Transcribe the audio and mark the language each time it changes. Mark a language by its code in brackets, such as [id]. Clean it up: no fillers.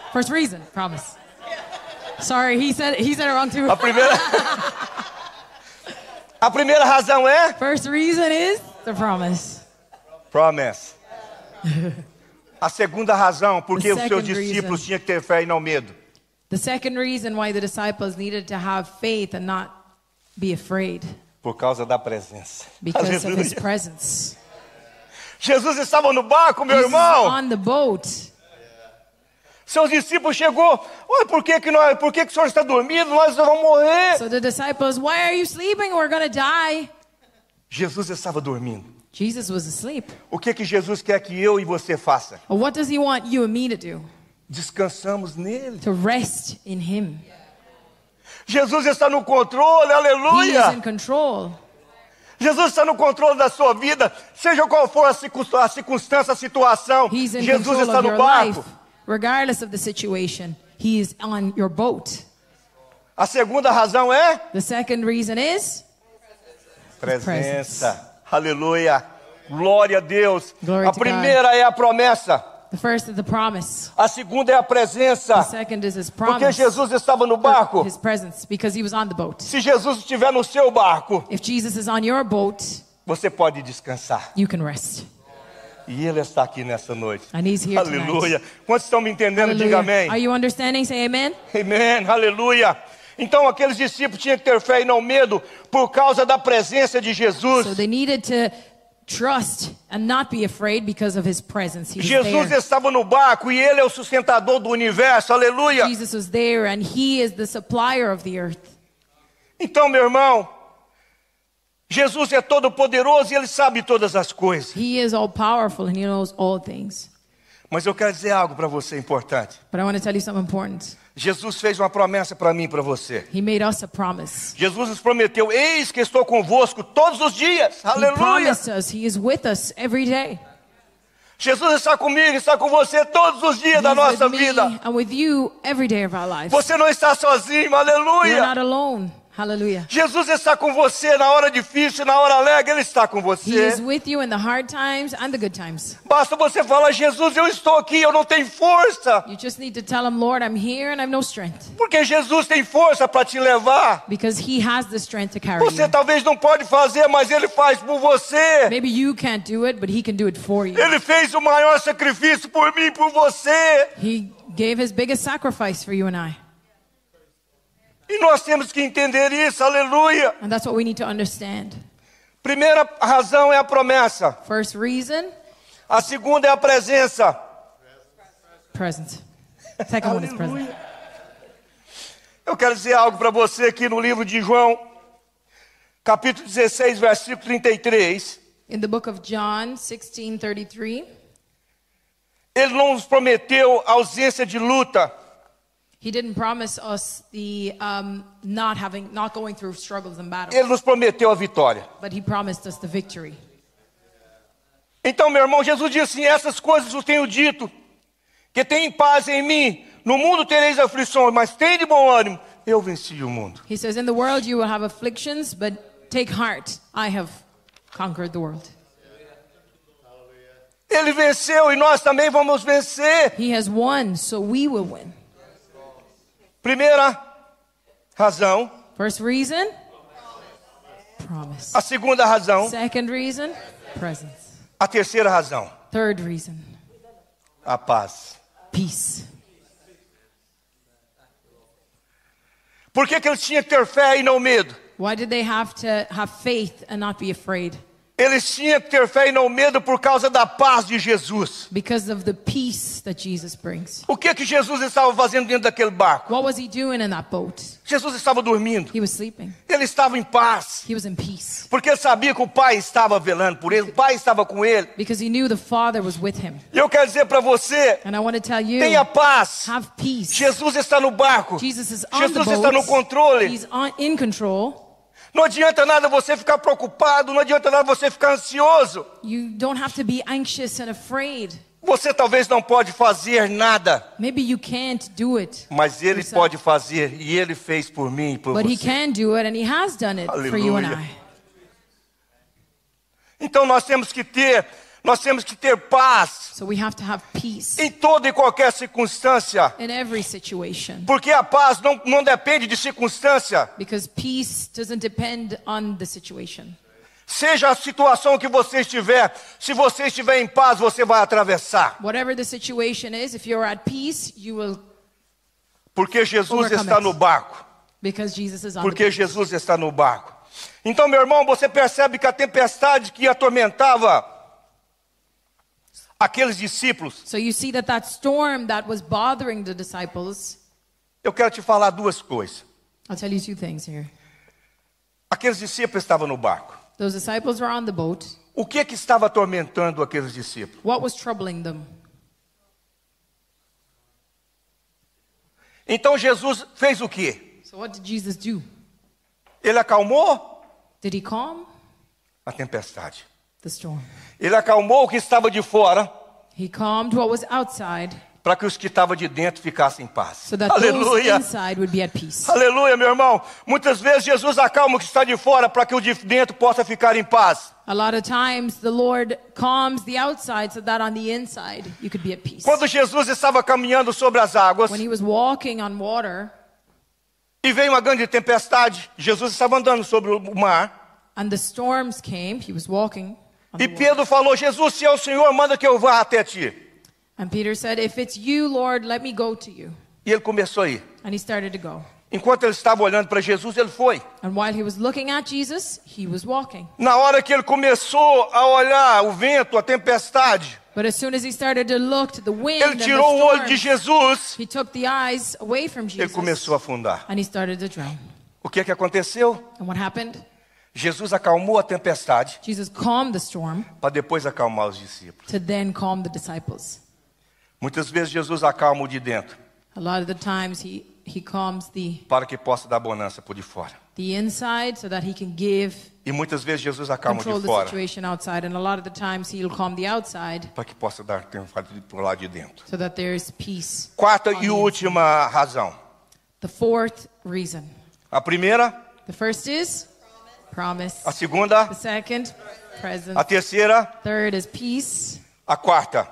[en] First reason, promise. Sorry, he said it wrong too. [pt] A primeira razão é? [en] First reason is the promise. Promise. [pt] A segunda razão, porque os seus discípulos tinham que ter fé e não medo. [en] The second reason why the disciples needed to have faith and not be afraid. [pt] Por causa da presença. [en] Because Aleluia. Of His presence. [pt] Jesus estava no barco, meu Jesus irmão. [en] Was on the boat. [pt] Seus discípulos chegou. Oi, por que que o Senhor está dormindo? Nós vamos morrer. [en] So the disciples, why are you sleeping? We're going to die. [pt] Jesus estava dormindo. [en] Jesus was asleep. [pt] O que que Jesus quer que eu e você faça? [en] What does He want you and me to do? [pt] Descansamos nele. [en] To rest in Him. [pt] Jesus está no controle, aleluia. [en] He is in control. [pt] Jesus está no controle da sua vida, seja qual for a circunstância, a situação. [en] He's in Jesus control [pt] está [en] of [pt] no [en] your [pt] barco. [en] Life, regardless of the situation, He is on your boat. [pt] A segunda razão é? [en] The second reason is? [pt] Presença. Aleluia. Glória a Deus. [en] Glory [pt] a primeira [en] God. [pt] É a promessa. [en] The first is the promise. [pt] A segunda é a presença. [en] The second is His promise. [pt] Porque Jesus estava no barco. [en] His presence, because He was on the boat. [pt] Se Jesus estiver no seu barco, [en] if Jesus is on your boat, [pt] você pode descansar. [en] You can rest. [pt] E Ele está aqui nessa noite. [en] And He's here [pt] Aleluia. [en] Tonight. [pt] Quantos estão me entendendo? Aleluia. Diga amém. [en] Are you understanding? Say amen. [pt] Amen. Aleluia. Então aqueles discípulos tinham que ter fé e não medo por causa da presença de Jesus. [en] So they needed to trust and not be afraid because of His presence. He was Jesus there. [pt] Estava no barco e Ele é o sustentador do universo. Aleluia. [en] Jesus was there and He is the supplier of the earth. [pt] Então, meu irmão, Jesus é todo poderoso e Ele sabe todas as coisas. [en] He is all powerful and He knows all things. [pt] Mas eu quero dizer algo para você importante. [en] But I want to tell you something important. [pt] Jesus fez uma promessa para mim e para você. [en] He made us a promise. [pt] Jesus nos prometeu, eis que estou convosco todos os dias. Aleluia. [en] He promised us, He is with us every day. [pt] Jesus está comigo, está com você todos os dias [en] He's [pt] da nossa vida. [en] He's with me and with you every day of our lives. [pt] Você não está sozinho, aleluia. [en] You're not alone, hallelujah. [pt] Jesus está com você na hora difícil, na hora alegre, Ele está com você. [en] He is with you in the hard times and the good times. [pt] Basta você falar, Jesus, eu estou aqui, eu não tenho força. [en] You just need to tell Him, Lord, I'm here and I have no strength. [pt] Porque Jesus tem força para te levar. [en] Because He has the strength to carry [pt] você [en] you. [pt] Você talvez não pode fazer, mas Ele faz por você. [en] Maybe you can't do it, but He can do it for you. [pt] Ele fez o maior sacrifício por mim e por você. [en] He gave His biggest sacrifice for you and I. [pt] E nós temos que entender isso, aleluia. [en] And that's what we need to understand. [pt] Primeira razão é a promessa. [en] First reason. [pt] A segunda é a presença. [en] Presence. Second one is presence. [pt] Eu quero dizer algo para você aqui no livro de João, capítulo 16, versículo 33. [en] In the book of John 16:33. [pt] Ele não nos prometeu ausência de luta. [en] He didn't promise us the not going through struggles and battles. [pt] Ele nos prometeu a vitória. [en] But He promised us the victory. [pt] Então, meu irmão, Jesus disse assim, essas coisas eu tenho dito. que tenham paz em mim. No mundo tereis aflições, mas tem de bom ânimo. Eu venci o mundo. [en] He says, in the world you will have afflictions, but take heart. I have conquered the world. [pt] Ele venceu e nós também vamos vencer. [en] He has won, so we will win. [pt] Primeira razão. [en] First reason. Promise. [pt] A segunda razão. [en] Second reason. Presence. [pt] A terceira razão. [en] Third reason. [pt] A paz. [en] Peace. [pt] Por que que eles tinham que ter fé e não medo? [en] Why did they have to have faith and not be afraid? [pt] Eles tinham que ter fé e não medo por causa da paz de Jesus. [en] Because of the peace that Jesus brings. [pt] O que que Jesus estava fazendo dentro daquele barco? [en] What was he doing in that boat? [pt] Jesus estava dormindo. [en] He was sleeping. [pt] Ele estava em paz. [en] He was in peace. [pt] Porque ele sabia que o Pai estava velando por ele. O Pai estava com ele. [en] Because he knew the Father was with him. [pt] E eu quero dizer para você. [en] And I want to tell you. [pt] Tenha paz. [en] Have peace. [pt] Jesus está no barco. [en] Jesus is on Jesus the boat. [pt] Jesus está no controle. [en] He's on, in control. [pt] Não adianta nada você ficar preocupado, não adianta nada você ficar ansioso. [en] You don't have to be anxious and afraid. [pt] Você talvez não pode fazer nada. [en] Maybe you can't do it. [pt] Mas ele [en] yourself. [pt] Pode fazer e ele fez por mim e por [en] But [pt] você. [en] But he can do it and he has done it. [pt] Aleluia. [en] For you and I. [pt] Então nós temos que ter paz. [en] So we have to have peace. [pt] Em toda e qualquer circunstância. [en] In every situation. [pt] Porque a paz não depende de circunstância. [en] Because peace doesn't depend on the situation. [pt] Seja a situação que você estiver, se você estiver em paz, você vai atravessar. [en] Whatever the situation is, if you're at peace, you will [pt] Porque Jesus está no barco. [en] Because Jesus is on [pt] Porque [en] the boat. [pt] Jesus está no barco. Então, meu irmão, você percebe que a tempestade que atormentava aqueles discípulos. [en] So you see that storm that was bothering the disciples. [pt] Eu quero te falar duas coisas. [en] I'll tell you two things here. [pt] Aqueles discípulos estavam no barco. [en] Those disciples were on the boat. [pt] O que que estava atormentando aqueles discípulos? [en] What was troubling them? [pt] Então Jesus fez o quê? [en] So what did Jesus do? [pt] Ele acalmou? [en] Did he calm? [pt] A tempestade. [en] The storm. [pt] Ele acalmou o que estava de fora. [en] He calmed what was outside. [pt] Para que os que estavam de dentro ficassem em paz. [en] So that Aleluia. Those inside would be at peace. [pt] Aleluia, meu irmão. Muitas vezes Jesus acalma o que está de fora para que o de dentro possa ficar em paz. [en] A lot of times the Lord calms the outside so that on the inside you could be at peace. [pt] Quando Jesus estava caminhando sobre as águas. [en] When he was walking on water. [pt] E veio uma grande tempestade. Jesus estava andando sobre o mar. [en] And the storms came. He was walking. [pt] E Pedro falou, Jesus, se é o Senhor, manda que eu vá até ti. [en] And Peter said, if it's you, Lord, let me go to you. [pt] E ele começou a ir. [en] And he started to go. [pt] Enquanto ele estava olhando para Jesus, ele foi. [en] And while he was looking at Jesus, he was walking. [pt] Na hora que ele começou a olhar o vento, a tempestade. [en] But as soon as he started to look to the wind [pt] ele tirou [en] and the storm, [pt] o olho de Jesus. [en] He took the eyes away from Jesus. [pt] Ele começou a afundar. [en] And he started to drown. [pt] O que é que aconteceu? [en] And what happened? [pt] Jesus acalmou a tempestade. [en] Jesus calmed the storm. [pt] Para depois acalmar os discípulos. [en] To then calm the disciples. [pt] Muitas vezes Jesus acalma o de dentro. [en] A lot of the times he calms the. [pt] Para que possa dar bonança por de fora. [en] The inside so that he can give. [pt] E muitas vezes Jesus acalma [en] control [pt] de fora. [en] The situation outside and a lot of the times he'll calm the outside. [pt] Para que possa dar triunfo por lá de dentro. [en] So that there is peace. [pt] Quarta e última razão. [en] The fourth reason. [pt] A primeira. [en] The first is. Promise. [pt] A segunda. [en] The second. Presence. [pt] A terceira. [en] Third is peace. [pt] A quarta.